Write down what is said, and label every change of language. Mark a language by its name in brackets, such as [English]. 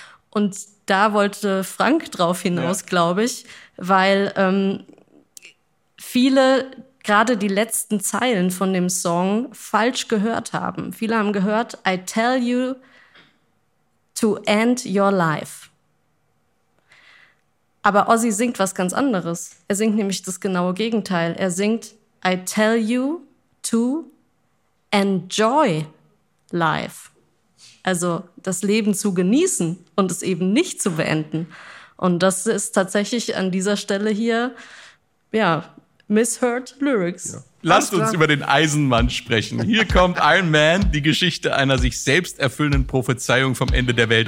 [German] Und da wollte Frank drauf hinaus, ja, glaube ich, weil viele gerade die letzten Zeilen von dem Song falsch gehört haben. Viele haben gehört, [English] I tell you to end your life. [German] Aber Ozzy singt was ganz anderes. Er singt nämlich das genaue Gegenteil. Er singt, [English] I tell you to enjoy life. [German] Also das Leben zu genießen und es eben nicht zu beenden. Und das ist tatsächlich an dieser Stelle hier, ja, misheard lyrics. Ja. Lasst uns über den Eisenmann sprechen. Hier kommt Iron Man, die Geschichte einer sich selbst erfüllenden Prophezeiung vom Ende der Welt.